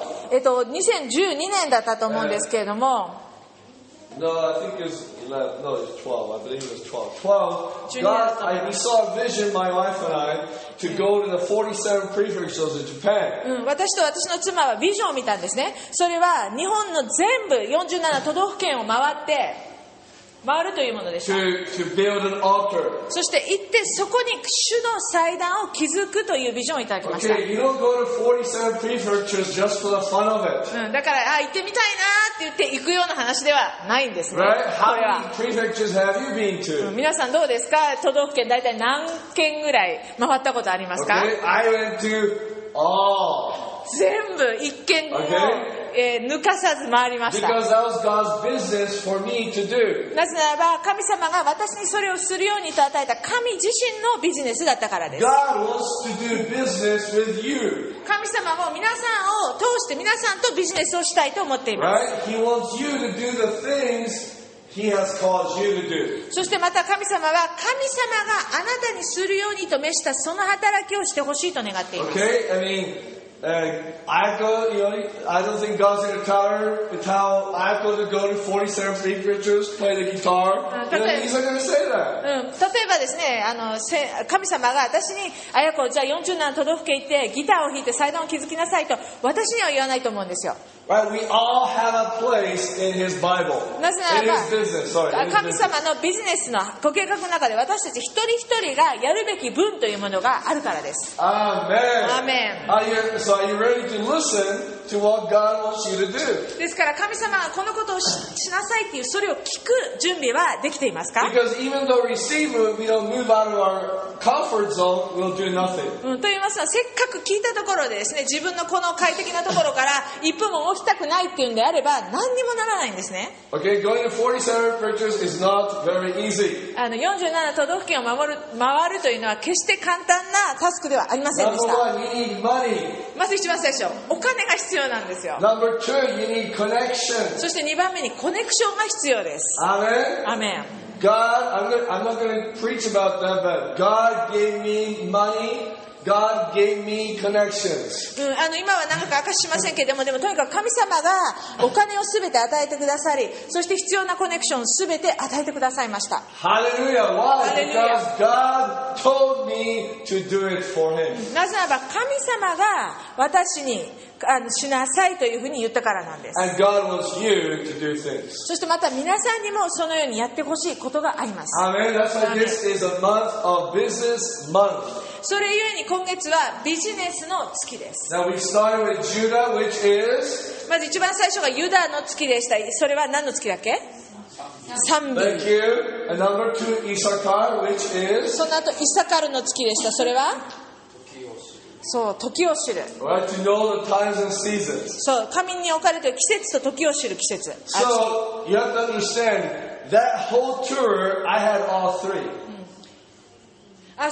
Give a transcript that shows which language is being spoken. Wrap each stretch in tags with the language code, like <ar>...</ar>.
<ja>2012年だったと思うんですけれども、</ja> <en>No, I think it was 11, no, it was 12. I believe it was 12. 12. God, we saw a vision, my wife and I, to go to the 47 prefectures in Japan.</en> <ja>私と私の妻はビジョンを見たんですね。それは日本の全部47都道府県を回るというものでした。</ja> <en>To build an altar.</en> <ja>そして行ってそこに主の祭壇を築くというビジョンをいただきました。</ja> <en>Okay, you don't go to 47 prefectures just for the fun of it.</en> <ja>だから、行ってみたいなって言って行くような話ではないんですね。</ja> <en>Right? How many prefectures have you been to?</en> <ja>皆さんどうですか？都道府県大体何県ぐらい回ったことありますか？</ja> <en>Okay, I went to all.</en> <ja>全部一軒も。</ja> <en>Okay?</en> <ja>抜かさず回りました。</ja> <en>Because that was God's business for me to do.</en> <ja>なぜならば神様が私にそれをするようにと与えた神自身のビジネスだったからです。</ja> <en>God wants to do business with you.</en> <ja>神様も皆さんを通して皆さんとビジネスをしたいと思っています。</ja> <en>Right? He wants you to do the things He has caused you to do.</en> <ja>そしてまた神様は神様があなたにするようにと召したその働きをしてほしいと願っています。</ja> <en>Okay? I meanI don't think God's going to tell Ako to go to 47 prefectures, play the guitar. He's not going to say that.</en> <ja>例えばですね、神様が私に、あやこ、じゃあ47都道府県行って、ギターを弾いて祭壇を築きなさいと、私には言わないと思うんですよ。</ja> <en>Right, we all have a place in His Bible.</en> <ja>なぜならば、神様のビジネスのご計画の中で、私たち一人一人がやるべき分というものがあるからです。</ja> <en>Amen. Amen. So are you ready to listen to what God wants you to do?</en> <ja>ですから神様がこのことを しなさいっていうそれを聞く準備はできていますか？</ja> <en>Because even though we receive it, we don't move out of our comfort comfort zone will do nothing.</en> <ja>と言いますのは、せっかく聞いたところでですね、自分のこの快適なところから一歩も動きたくないっていうんであれば、何にもならないんですね。</ja> <en>Okay, going to 47 preachers is not very easy.</en> <ja>47都道府県を回るというのは決して簡単なタスクではありませんでした。</ja> <en>Number one, you need money.</en> <ja>まず一番最初、お金が必要なんですよ。</ja> <en>Number two, you need connection.</en> <ja>そして2番目にコネクションが必要です。</ja> <en>Amen. Amen. God, I'm not going to preach about that, but God gave me money. God gave me connections.</en> <ja>今は長く明かしませんけれども、でもとにかく神様がお金をすべて与えてくださり、そして必要なコネクションをすべて与えてくださいました。</ja> <en>Hallelujah! Why? Because God told me to do it for Him.</en> <ja>なぜならば神様が私にしなさいというふうに言ったからなんです。</ja> <en>And God wants you to do things.</en> <ja>そしてまた皆さんにもそのようにやってほしいことがあります。</ja> <en>Amen. That's why this is a month of business month.</en> <ja>それゆえに今月はビジネスの月です。</ja> <en>Now we started with Judah, which is...</en> <ja>まず一番最初がユダの月でした。それは何の月だっけ。</ja> <en>Thank you. And number two, Issachar, which is...</en> <ja>その後イサカルの月でした。それはそう、時を知る。</ja> <en>Right, to know the times and seasons.</en> <ja>そう、神に置かれている季節と時を知る季節。</ja> <en>So, you have to understand, that whole tour, I had all three.</en>